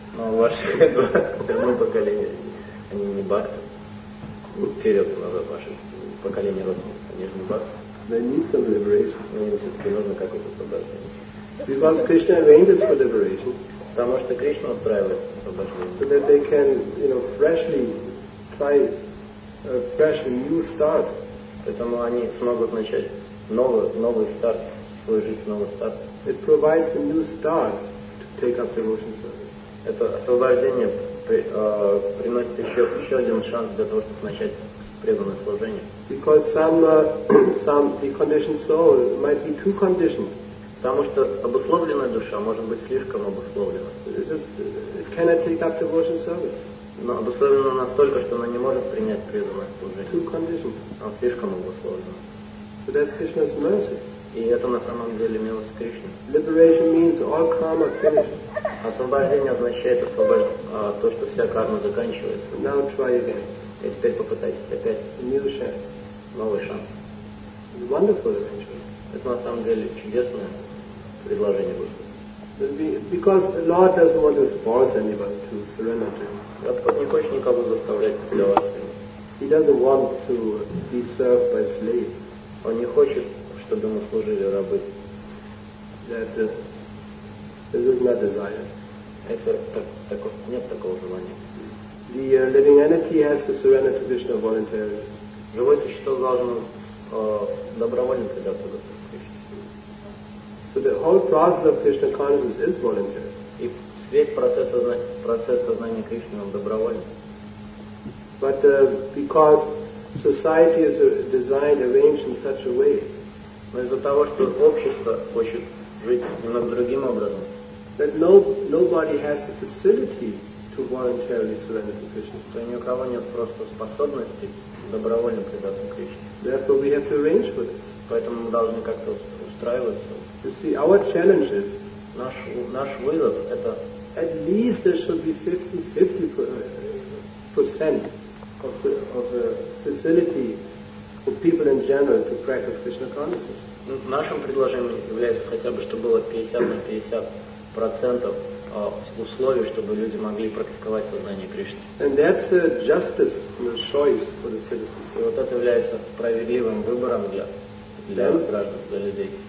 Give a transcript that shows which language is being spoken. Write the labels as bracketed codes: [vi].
[ru] No, ваши 21 поколение, они не бхакты. Вперед, назад, ваше поколение родственников, они же не бхакты. [en] They need some liberation. [ru] Но им все-таки нужно какое-то освобождение. [en] Because Krishna arranged for liberation. [ru] Потому что Кришна устраивает освобождение. [en] So that they can, you know, freshly try a fresh new start. [ru] Поэтому они смогут начать новый старт, свою жизнь, новый старт. [en] It provides a new start to take up devotion service. [ru] Это освобождение приносит еще один шанс для того, чтобы начать преданное служение. [en] Because some deconditioned soul might be too conditioned. [ru] Потому что обусловленная душа может быть слишком обусловлена. [en] It cannot take up devotion service. [ru] Но обусловлена настолько, что она не может принять преданное служение. [en] Too conditioned. [ru] Она слишком обусловлена. [en] But that's Krishna's mercy. [ru] И это на самом деле милость Кришны. [en] Liberation means all karma finishes. [ru] Освобождение означает то, что вся карма заканчивается. [en] Now try again. [ru] И теперь попытайтесь опять. [en] New chance. [ru] Новый шанс. [en] Wonderful arrangement. [ru] Это на самом деле чудесное предложение Господа. [en] Because Lord doesn't want to force anybody to surrender to Him. [ru] Господь не хочет никого заставлять для вас. [en] He doesn't want to be served by slaves. [ru] Он не хочет, чтобы мы служили рабы. [en] This is not desire. [ru] Это нет такого желания. [en] The living entity has to surrender to Krishna voluntarily. [ru] Живое существо должно добровольно предаться Господу Кришне. [en] So the whole process of Krishna consciousness is voluntary. [ru] И весь процесс сознания Кришны он добровольный. [en] But because society is designed, arranged in such a way. [ru] Но из-за того, что общество хочет жить немного другим образом. [en] That nobody has the facility to voluntarily surrender to Krishna. [ru] То ни у кого нет просто способности добровольно предаться Кришне. [en] Therefore, we have to arrange for this. [ru] Поэтому мы должны как-то устраиваться. [en] You see, our challenge is [ru] наш вызов это [en] at least there should be 50% of the facility for people in general to practice Krishna consciousness. [ru] Нашим предложением является хотя бы, чтобы было 50% условий, чтобы люди могли практиковать сознание Кришны. [en] And that's a justice, you know, choice for the citizens. [ru] И вот это является справедливым выбором для граждан, для людей.